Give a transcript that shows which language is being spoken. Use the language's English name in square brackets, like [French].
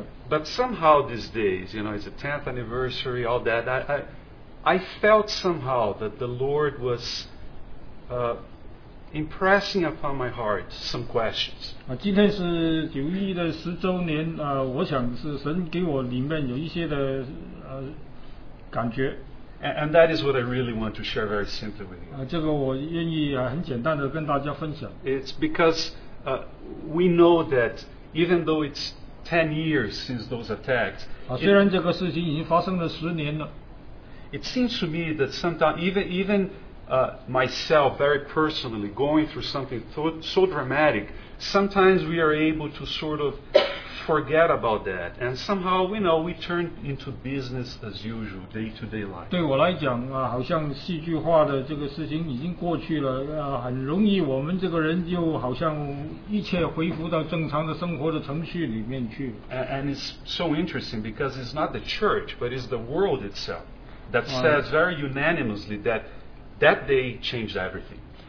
[English] But somehow these days, you know, it's the 10th anniversary, all that, I felt somehow that the Lord was impressing upon my heart some questions. [Chinese] 今天是九一的十周年, 我想是神给我里面有一些的, 感觉, [English] and that is what I really want to share very simply with you. [Chinese] 这个我愿意, 很简单的跟大家分享。 [English] It's because we know that even though it's 10 years since those attacks, [Chinese] 虽然这个事情已经发生了十年了, [English] it seems to me that sometimes, even myself, very personally, going through something so dramatic, sometimes we are able to sort of forget about that. And somehow, you know, we turn into business as usual, day-to-day life. [Chinese] 对我来讲啊, 好像戏剧化的这个事情已经过去了, 很容易我们这个人就好像一切恢复到正常的生活的程序里面去。 [English] And it's so interesting because it's not the church, but it's the world itself that says very unanimously that that day changed everything.